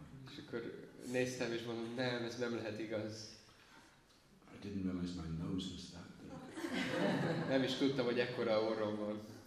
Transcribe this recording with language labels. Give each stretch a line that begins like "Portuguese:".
Hungarian: És akkor néztem és mondom, nem, ez nem lehet igaz.
English: I didn't realize my nose was that big.
Hungarian: Nem is tudtam, hogy ekkora orrom van.